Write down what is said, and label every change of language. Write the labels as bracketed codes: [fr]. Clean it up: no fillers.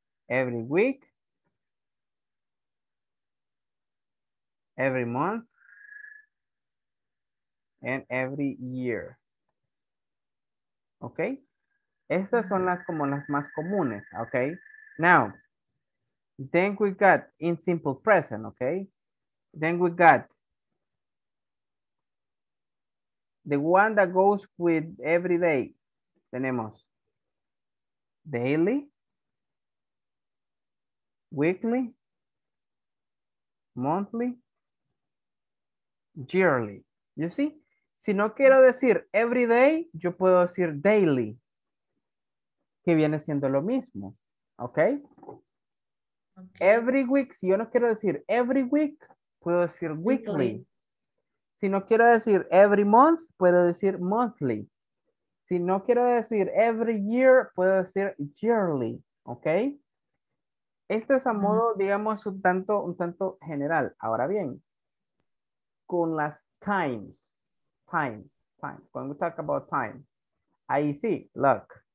[en] every week, every month, and every year. Okay? [es] Estas son las como las más comunes, okay? [en] Now, then we got in simple present, okay? Then we got the one that goes with every day. [es] Tenemos daily, weekly, monthly, yearly. [en] You see? [es] Si no quiero decir [en] every day, [es] yo puedo decir daily, que viene siendo lo mismo. Okay? Okay. Every week, si yo no quiero decir [en] every week, [es] puedo decir weekly. Si no quiero decir [en] every month, [es] puedo decir monthly. Si no quiero decir [en] every year, [es] puedo decir yearly. Okay? Esto es a modo, digamos, un tanto general. Ahora bien, con las times. [en] When we talk about time, [es] ahí sí, [en] look.